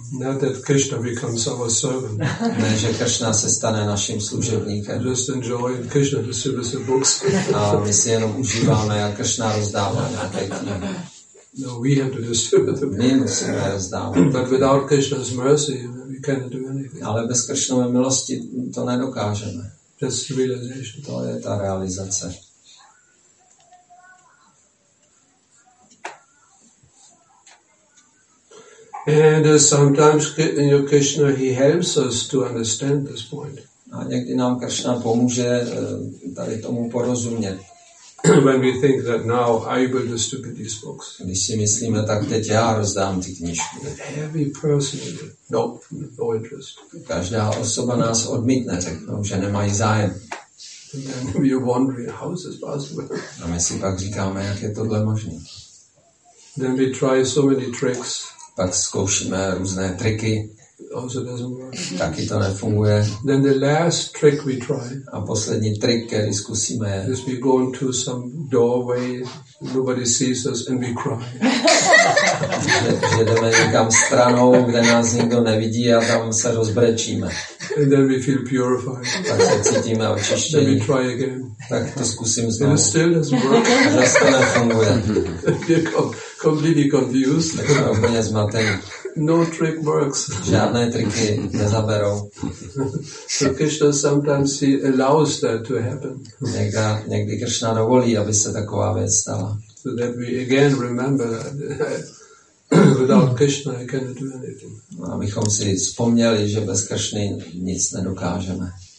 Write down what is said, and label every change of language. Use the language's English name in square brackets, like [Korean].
[English] Not that Krishna becomes our servant. [Czech] Ne, že Kršna se stane naším služebníkem. [English] Just enjoy Krishna distributes the books. [Czech] A my si jenom užíváme, jak Kršna rozdává nějaké knihy. [English] No, we have to distribute the [Czech] books. My musíme rozdávat. [English] But without Krishna's mercy, cannot do anything. [Czech] Ale bez Kršnové milosti to nedokážeme. [English] That's the realization. [Czech] To je ta realizace. [English] And sometimes Krishna, he helps us to understand this point. [Czech] A někdy nám Kršna pomůže tady tomu porozumět. [English] When we think that now I will distribute these books. [Czech] Když si myslíme, tak teď já rozdám ty knižky. [English] Every person, no interest. [Czech] Každá osoba nás odmítne, řeknou, že nemají zájem. [English] And then we wonder how is this possible. [Czech] A my si pak říkáme, jak je tohle možné. [English] Then we try so many tricks. [Czech] Pak zkoušíme různé triky. [English] Also doesn't work. [Czech] Taky to nefunguje. [English] Then the last trick we try. [Czech] A poslední trik, který zkusíme. [English] Is we go into some doorway, nobody sees us, and we cry. [Czech] Že jdeme někam stranou, kde nás nikdo nevidí, a tam se rozbrečíme. [English] And then we feel purified. [Czech] Tak se cítíme očištění. [English] Then we try again. [Czech] Tak to zkusím znovu. [English] And it still doesn't work. [Czech] A zase to nefunguje. [English] Completely confused. [Czech] Tak jsme úplně zmatení. [English] No trick works. [Czech] Žádné triky nezaberou. [English] So Krishna sometimes he allows that to happen. [Czech] Někdy Krishna dovolí, aby se taková věc stala. [English] So that we again remember that without Krishna I cannot do anything. [Czech] Abychom si vzpomněli, že bez Krishny nic nedokážeme.